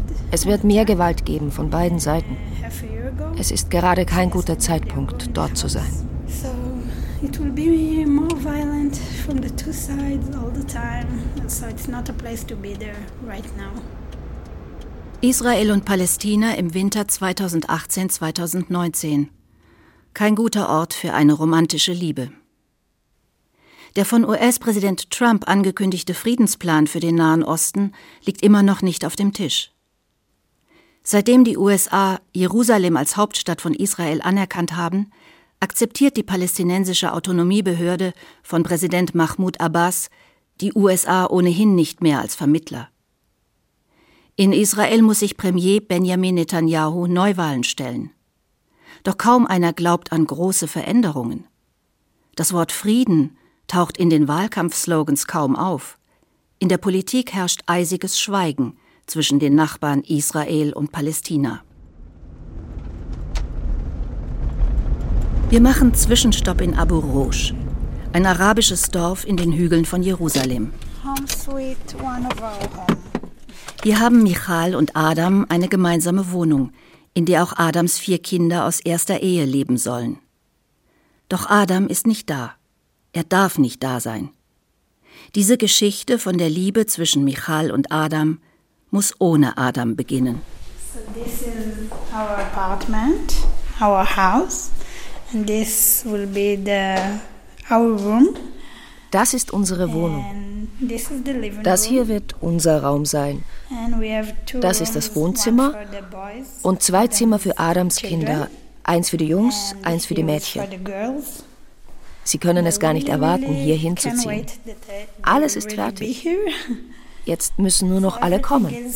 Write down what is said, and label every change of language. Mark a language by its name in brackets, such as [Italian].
[German] Es wird mehr Gewalt geben von beiden Seiten. Es ist gerade kein guter Zeitpunkt, dort zu sein. [English] It will be more violent from the two sides all the time, so it's not a place to be there right now. [German] Israel und Palästina im Winter 2018-2019. Kein guter Ort für eine romantische Liebe. Der von US-Präsident Trump angekündigte Friedensplan für den Nahen Osten liegt immer noch nicht auf dem Tisch. Seitdem die USA Jerusalem als Hauptstadt von Israel anerkannt haben, akzeptiert die palästinensische Autonomiebehörde von Präsident Mahmoud Abbas die USA ohnehin nicht mehr als Vermittler. In Israel muss sich Premier Benjamin Netanyahu Neuwahlen stellen. Doch kaum einer glaubt an große Veränderungen. Das Wort Frieden taucht in den Wahlkampfslogans kaum auf. In der Politik herrscht eisiges Schweigen zwischen den Nachbarn Israel und Palästina. Wir machen Zwischenstopp in Abu Rosh, ein arabisches Dorf in den Hügeln von Jerusalem. [English] Home sweet one of our home. [German] Hier haben Michal und Adam eine gemeinsame Wohnung, in der auch Adams vier Kinder aus erster Ehe leben sollen. Doch Adam ist nicht da. Er darf nicht da sein. Diese Geschichte von der Liebe zwischen Michal und Adam muss ohne Adam beginnen. [English] So this is our apartment, our house. And this will be our room. [German] Das ist unsere Wohnung. Das hier wird unser Raum sein. Das ist das Wohnzimmer und zwei Zimmer für Adams Kinder. Eins für die Jungs, eins für die Mädchen. Sie können es gar nicht erwarten, hier hinzuziehen. Alles ist fertig. Jetzt müssen nur noch alle kommen.